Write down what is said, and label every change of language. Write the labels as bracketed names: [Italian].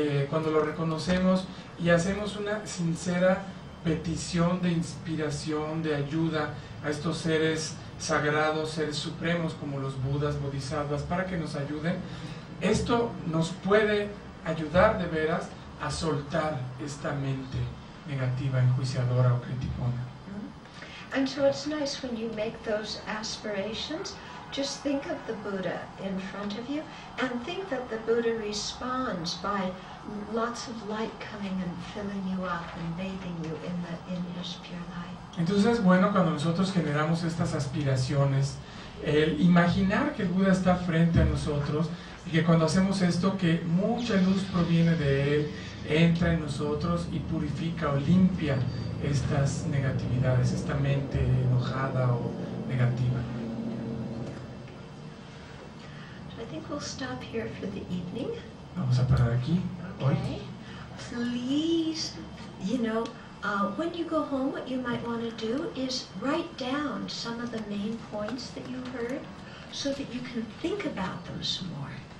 [Spanish] cuando lo reconocemos y hacemos una sincera petición de inspiración, de ayuda a estos seres sagrados, seres supremos como los Budas, Bodhisattvas, para que nos ayuden, esto nos puede ayudar de veras a soltar esta mente negativa, enjuiciadora o criticona. [English] And so it's nice when you make those aspirations, just think of the Buddha in front of you and think that the Buddha responds by lots of light coming and filling you up and bathing you in his pure light. [Spanish] Entonces, bueno, cuando nosotros generamos estas aspiraciones, el imaginar que el Buda está frente a nosotros y que cuando hacemos esto, que mucha luz proviene de él, entra en nosotros y purifica o limpia estas negatividades, esta mente enojada o negativa. [English] I think we'll stop here for the evening. [Spanish] Vamos a parar aquí. [English] Okay. [Spanish] Hoy. [English] Please, you know, when you go home, what you might want to do is write down some of the main points that you heard so that you can think about them some more.